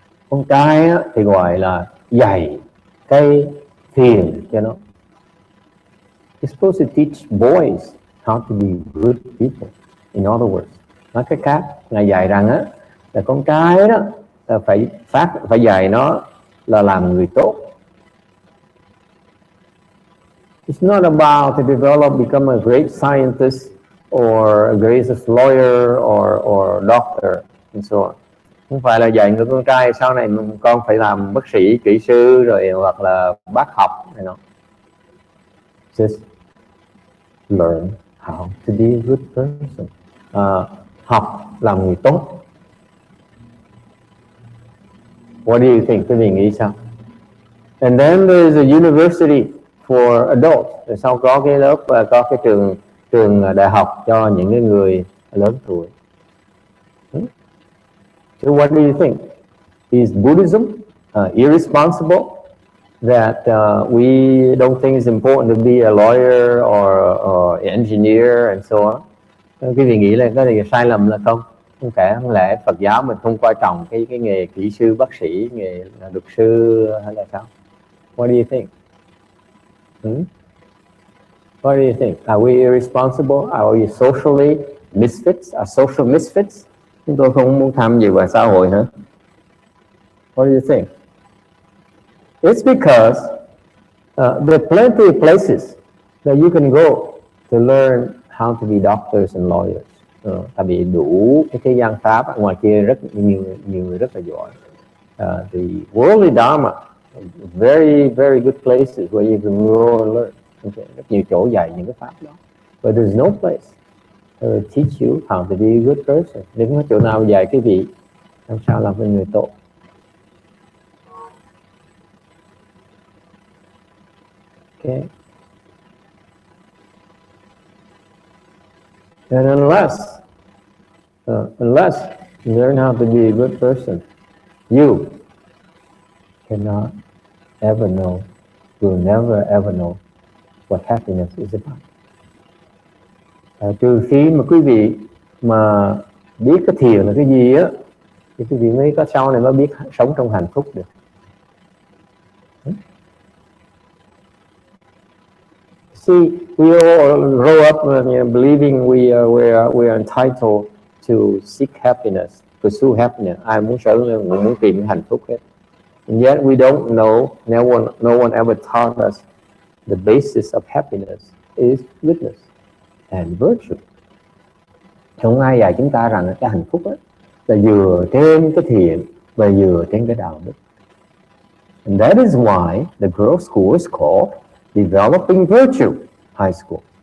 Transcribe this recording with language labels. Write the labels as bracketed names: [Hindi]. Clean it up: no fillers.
[Vietnamese] Con trai thì gọi là dạy cái thiền cho nó. [English] It's supposed to teach boys how to be good people. In other words, [Vietnamese] nói cách khác, ngài dạy rằng á là con trai đó phải dạy nó là làm người tốt. [English] It's not about to develop, become a great scientist or a greatest lawyer or doctor and so on. [Vietnamese] Không phải là dạy người con trai sau này con phải làm bác sĩ, kỹ sư rồi hoặc là bác học này nọ. [English] Just learn how to be a good person. [Vietnamese] Học làm người tốt. [English] What do you think? [Vietnamese] Quý vị nghĩ sao? [English] And then there is a university for adults. [Vietnamese] Rồi sau có cái lớp, có cái trường đại học cho những cái người lớn tuổi. [English] So what do you think? Is Buddhism irresponsible that we don't think it's important to be a lawyer or engineer and so on? [Vietnamese] Quý vị nghĩ là cái này sai lầm là không? Không phải, không lẽ Phật giáo mình không quan trọng cái nghề kỹ sư, bác sĩ, nghề luật sư hay là sao? [English] What do you think? What do you think? Are we irresponsible? Are we socially misfits? Are social misfits? [Vietnamese] Chúng tôi không muốn tham dự vào xã hội hả? [English] What do you think? It's because there are plenty of places that you can go to learn how to be doctors and lawyers. [Vietnamese] Tại vì đủ cái thế gian pháp ngoài kia rất nhiều, nhiều người rất là giỏi. [English] The worldly dharma, very very good places where you can go and learn. Okay. [Vietnamese] Rất nhiều chỗ dạy những cái pháp đó. [English] But there's no place to teach you how to be a good person. [Vietnamese] Nếu không có chỗ nào dạy cái gì, làm sao làm cho người tốt. [English] Okay. And unless, unless you learn how to be a good person, you cannot ever know, you'll never ever know what happiness is about. [Vietnamese] Trừ khi mà quý vị mà biết cái thiền là cái gì á, thì quý vị mới có sau này mới biết sống trong hạnh phúc được. [English] See, we all grow up believing we are entitled to seek happiness, pursue happiness. [Vietnamese] Ai muốn sở hữu, người muốn tìm hạnh phúc hết. [English] And yet we don't know, no one ever taught us the basis of happiness is goodness and virtue. [Vietnamese] Không ai dạy chúng ta rằng cái hạnh phúc ấy là dựa trên cái thiện và dựa trên cái đạo đức. [English] And that is why the girls' school is called Developing Virtue High School.